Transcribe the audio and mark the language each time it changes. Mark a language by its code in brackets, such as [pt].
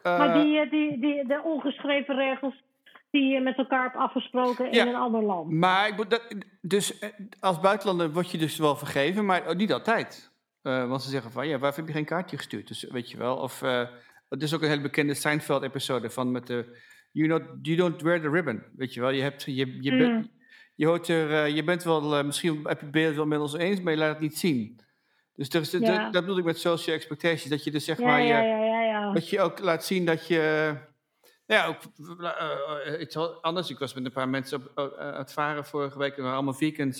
[nl] maar die ongeschreven regels die je met elkaar hebt afgesproken in een ander land. Maar dus als buitenlander word je dus wel vergeven, maar niet altijd. Want ze zeggen van, ja, waarvoor heb je geen kaartje gestuurd? Dus weet je wel, of... Het is ook een hele bekende Seinfeld-episode van met de... [en] You don't wear the ribbon, [nl] weet je wel. Misschien heb je beeld wel met ons eens, maar je laat het niet zien. Dus dat bedoel ik met social expectations. Dat je dus dat je ook laat zien dat je... Ja, ook iets anders. Ik was met een paar mensen aan het varen vorige week. We waren allemaal vegans.